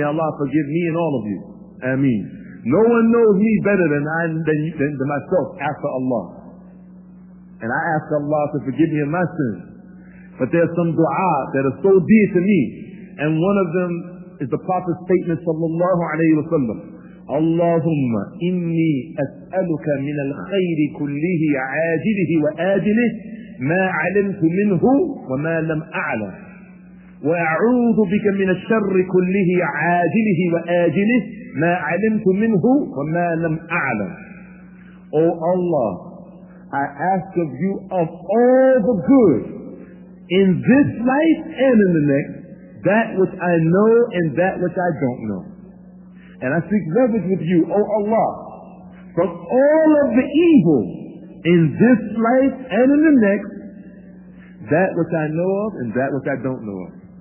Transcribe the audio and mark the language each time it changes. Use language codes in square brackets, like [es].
[en] May Allah forgive me and all of you. Ameen. No one knows me better than myself after Allah. And I ask Allah to forgive me of my sins. But there are some dua that are so dear to me. And one of them is the Prophet's statement sallallahu alayhi wa sallam. [ar] Allahumma inni as'aluka min al-khayri kullihi ajilihi wa ajilihi ما علمت منه وما لم أعلم وأعوذ بك من الشر كله عاجله وآجله ما علمت منه وما لم أعلم. [en] O Allah, I ask of you of all the good in this life and in the next, that which I know and that which I don't know. And I seek refuge with you, O Allah, from all of the evil in this life and in the next, that which I know of and that which I don't know of.